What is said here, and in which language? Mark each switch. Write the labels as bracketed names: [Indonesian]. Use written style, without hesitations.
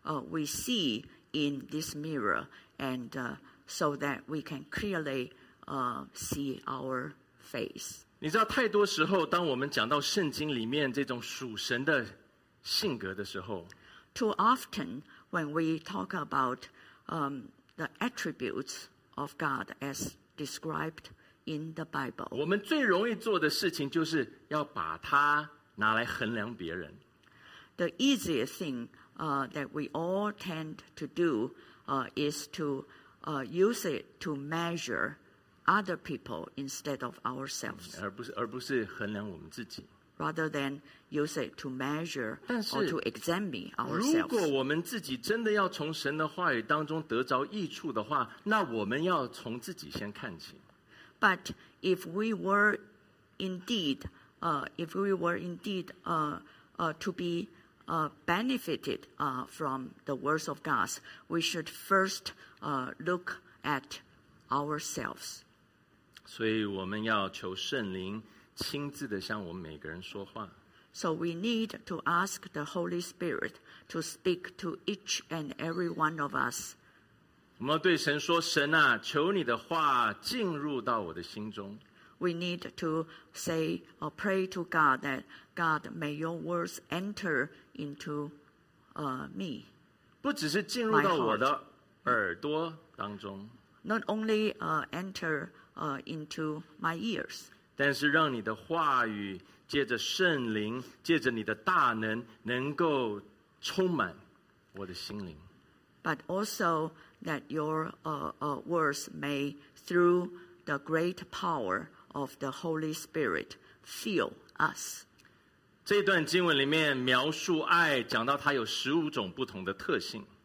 [English] We see in this mirror and so that we can clearly see our face. [Chinese] 你知道太多时候当我们讲到圣经里面这种属神的性格的时候， [English] Too often,When we talk about the attributes of God as described in the Bible, [Chinese] 我们最容易做的事情就是要把它拿来衡量别人。 [English] The easiest thing that we all tend to do is to use it to measure other people instead of ourselves, [Chinese] 而不是衡量我们自己。 [English] Rather than use it to measure or to examine ourselves. [Chinese] 如果我们自己真的要从神的话语当中得着益处的话，那我们要从自己先看起。 [English] But if we were indeed, to be benefited from the words of God, we should first look at ourselves. [Chinese] 所以我们要求圣灵亲自的向我们每个人说话。 [English] So we need to ask the Holy Spirit to speak to each and every one of us. [Chinese] 我们要对神说，神啊，求你的话进入到我的心中。 [English] We need to say or pray to God that God may your words enter into me. [Chinese] 不只是进入到我的耳朵当中。 [English] Not only enter into my ears. [Chinese] 但是让你的话语借着圣灵，借着你的大能，能够充满我的心灵。 [English] But also that your words may, through the great power of the Holy Spirit, fill us. [Chinese] 这段经文里面描述爱，讲到它有十五种不同的特性。